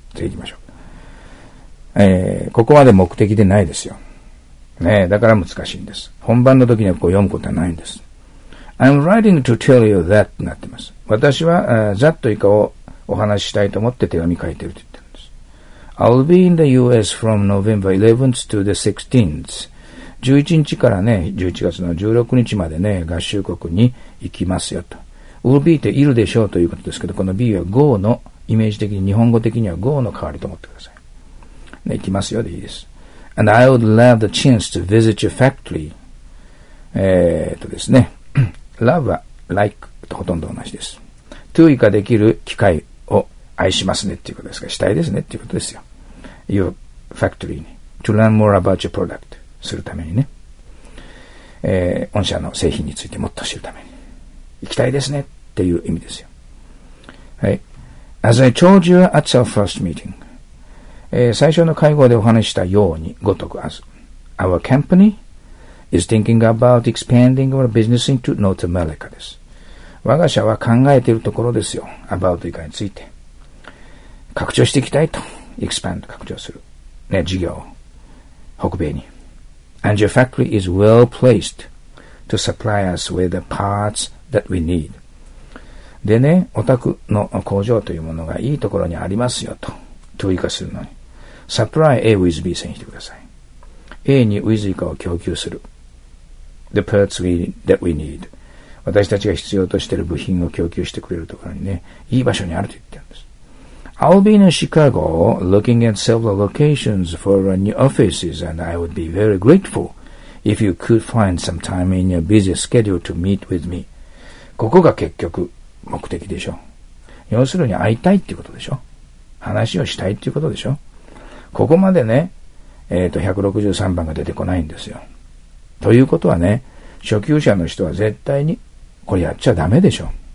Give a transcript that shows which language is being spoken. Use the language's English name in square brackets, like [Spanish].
[Japanese] 次行きましょう。ここまで目的でないですよ。ね。だから難しいんです。本番の時にはこう読むことはないんです。 [English] I'm writing to tell you that [Japanese] ってなってます。私は、that と以下をお話ししたいと思って手紙書いてると言ってるんです。 [English] I'll be in the US from November 11th to the 16th. [Japanese] 11日からね、11月の16日までね、合衆国に行きますよと。 will be っているでしょうということですけど、この be は go の、イメージ的に日本語的には go の代わりと思ってください。ね、行きますよでいいです。 [English] And I would love the chance to visit your factory. [Japanese] ですね。love は like とほとんど同じです。 to 以下できる機会を愛しますねっていうことですか。したいですねっていうことですよ。 your factory に。 [English] to learn more about your product [Japanese] するためにね。御社の製品についてもっと知るために。行きたいですねっていう意味ですよ。はい。 [English] As I told you at our first meeting. [Japanese] 最初の会合でお話したようにごとく as. [English] Our company is thinking about expanding our business into North America [Japanese] です。我が社は考えているところですよ。 about 以下について。拡張していきたいと。 expand 拡張する。ね、事業。北米に。 [English] And your factory is well placed to supply us with the parts that we need. [Japanese] でね、お宅の工場というものがいいところにありますよと、追加するのに。 supply A with B 線してください。A に with 以下を供給する。 [English] the parts that we need. [Japanese] 私たちが必要としている部品を供給してくれるところにね、いい場所にあると言ってるんです。 [English] I'll be in Chicago looking at several locations for new offices and I would be very grateful if you could find some time in your busy schedule to meet with me. [Japanese] ここが結局、目的でしょ。要するに会いたいっていうことでしょ。話をしたいっていうことでしょ。ここまでね、163番が出てこないんですよ。ということはね、初級者の人は絶対にこれやっちゃダメでしょ。